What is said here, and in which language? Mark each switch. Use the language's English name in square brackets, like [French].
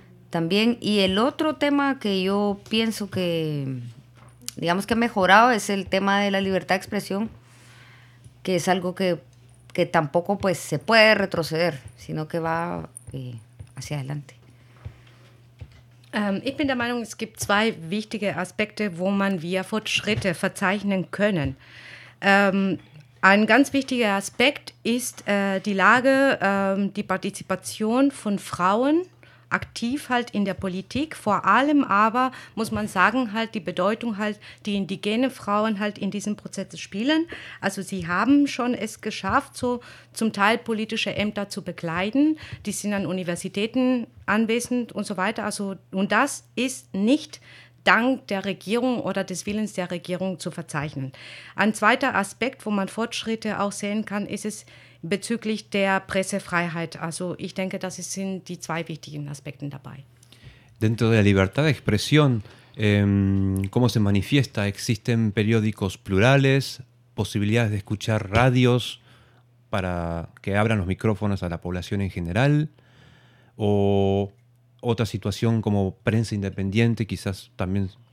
[Spanish] También, y el otro tema que yo pienso que, digamos, que ha mejorado es el tema de la libertad de expresión, que es algo que tampoco pues, se puede retroceder, sino que va hacia adelante. [German] Ich bin der Meinung, es gibt zwei wichtige Aspekte, wo man via Fortschritte verzeichnen können. Ein ganz wichtiger Aspekt ist die Lage, die Partizipation von Frauen aktiv halt in der Politik, vor allem aber, muss man sagen, halt die Bedeutung halt, die indigene Frauen halt in diesem Prozess spielen. Also sie haben schon es geschafft, so zum Teil politische Ämter zu bekleiden. Die sind an Universitäten anwesend und so weiter. Also, und das ist nicht dank der Regierung oder des Willens der Regierung zu verzeichnen. Ein zweiter Aspekt, wo man Fortschritte auch sehen kann, ist es bezüglich der Pressefreiheit. Also ich denke, das sind die zwei wichtigen Aspekte dabei. [Spanish] Dentro de la libertad de expresión, ¿cómo se manifiesta? ¿Existen periódicos plurales, posibilidades de escuchar radios para que abran los micrófonos a la población en general? ¿O otra situación como prensa independiente quizás también?